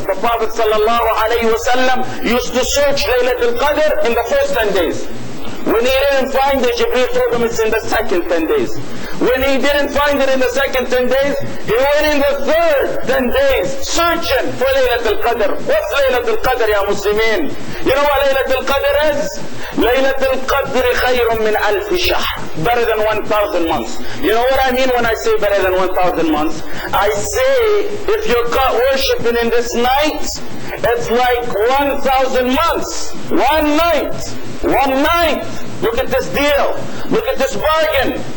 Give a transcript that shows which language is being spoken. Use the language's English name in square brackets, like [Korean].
[English] The Prophet sallallahu alayhi wa sallam used to search Laylatul Qadr in the first 10 days. When he didn't find it, Jibreel told him it's in the second 10 days. When he didn't find it in the second 10 days, he went in the third 10 days searching for Laylatul Qadr. What's Laylatul Qadr, ya Muslimin? You know what Laylatul Qadr is? [Arabic] ليلة القدر خير من ألف شهر. [English] Better than 1,000 months. You know what I mean when I say better than 1,000 months? I say if you're caught worshiping in this night, it's like 1,000 months. One night. One night. Look at this deal. Look at this bargain.